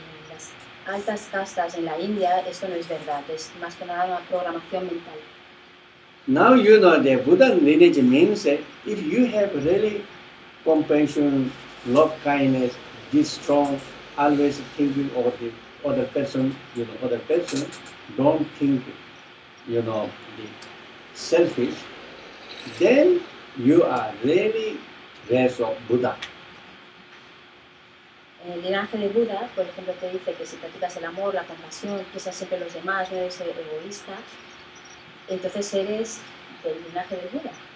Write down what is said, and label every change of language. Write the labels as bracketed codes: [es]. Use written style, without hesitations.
[es] Las altas castas en la India, esto no es verdad. Es más que nada una programación mental. [en] Now you know the Buddha lineage means that if you have really compassion, love, kindness, be strong, always thinking of the other person, you know, other person, don't think, you know, the selfish, then you are really race of Buddha. [es] El linaje de Buda, por ejemplo, te dice que si practicas el amor, la compasión, piensas siempre en los demás, no eres egoísta. Entonces eres del linaje de Buda.